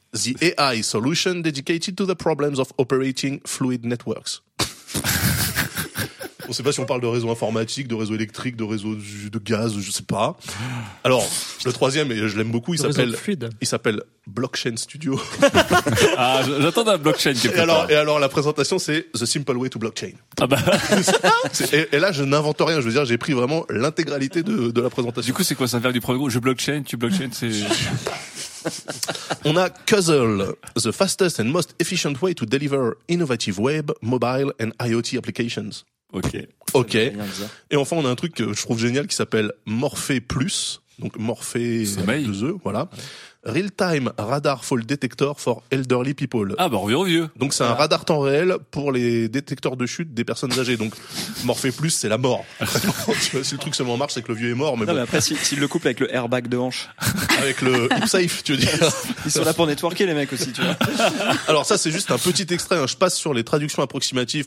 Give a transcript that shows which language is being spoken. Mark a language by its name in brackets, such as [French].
[English] The AI solution dedicated to the problems of operating fluid networks. [French] On sait pas si on parle de réseau informatique, de réseau électrique, de réseau de gaz, je sais pas. Alors, le troisième, et je l'aime beaucoup, il s'appelle Blockchain Studio. Ah, j'attends un blockchain. Et alors, la présentation, c'est [English] The Simple Way to Blockchain. [French] Ah bah. Et là, je n'invente rien. Je veux dire, j'ai pris vraiment l'intégralité de la présentation. Du coup, c'est quoi ça, vers du premier groupe? Je blockchain, tu blockchain, c'est... On a [English] Cuzzle, the fastest and most efficient way to deliver innovative web, mobile and IoT applications. [French] Ok. Et enfin, on a un truc que je trouve génial qui s'appelle Morphée Plus. Donc, Morphée 2E, voilà. [English] Real-time radar fall detector for elderly people. [French] Ah, bah, on revient au vieux. Donc, c'est un radar temps réel pour les détecteurs de chute des personnes âgées. Donc, Morphée Plus, c'est la mort. Si le truc seulement marche, c'est que le vieux est mort. Mais non, bon. Mais après, s'il le coupe avec le airbag de hanche. Avec le hip-safe, tu veux dire. Ils sont là pour networker, les mecs aussi, tu vois. Alors, ça, c'est juste un petit extrait. Hein. Je passe sur les traductions approximatives.